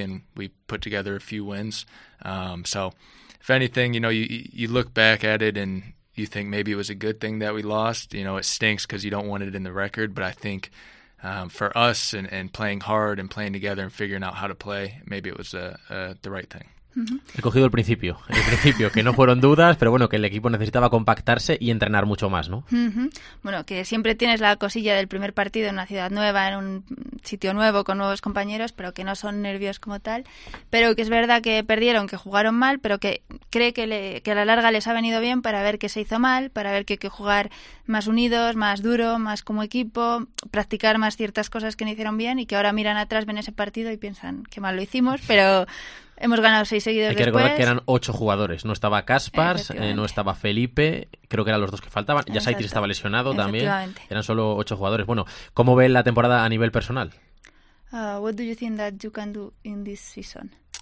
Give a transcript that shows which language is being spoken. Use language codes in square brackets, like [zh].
[en] And we put together a few wins. So, if anything, you know, you look back at it and you think maybe it was a good thing that we lost. You know, it stinks because you don't want it in the record. But I think for us and playing hard and playing together and figuring out how to play, maybe it was the right thing. [es] He cogido el principio, que no fueron dudas, pero bueno, que el equipo necesitaba compactarse y entrenar mucho más, ¿no? Bueno, que siempre tienes la cosilla del primer partido en una ciudad nueva, en un sitio nuevo, con nuevos compañeros, pero que no son nervios como tal, pero que es verdad que perdieron, que jugaron mal, pero que cree que a la larga les ha venido bien para ver qué se hizo mal, para ver que hay que jugar más unidos, más duro, más como equipo, practicar más ciertas cosas que no hicieron bien y que ahora miran atrás, ven ese partido y piensan qué mal lo hicimos, pero hemos ganado 6 seguidos después. Hay que recordar que eran 8 jugadores. No estaba Kaspars, no estaba Felipe, creo que eran los dos que faltaban. Ya Saitis estaba lesionado también. Eran solo 8 jugadores. Bueno, ¿cómo ve la temporada a nivel personal? [en] What do you think that you can do in this season?